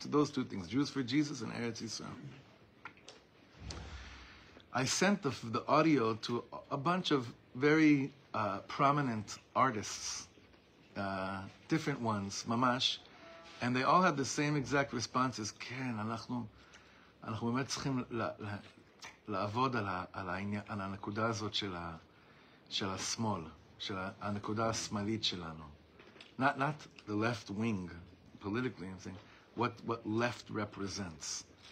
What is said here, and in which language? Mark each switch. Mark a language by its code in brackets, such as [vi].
[en] Those two things, Jews for Jesus and Eretz Yisrael. I sent the audio to a bunch of very prominent artists, different ones, mamash, and they all had the same exact responses. [he] Ken, anachnu baemet tzrichim la לעבוד על הנקודה הזאת של השמאל, של הנקודה השמאלית שלנו. [en] Not the left wing, politically, I'm saying, what left represents.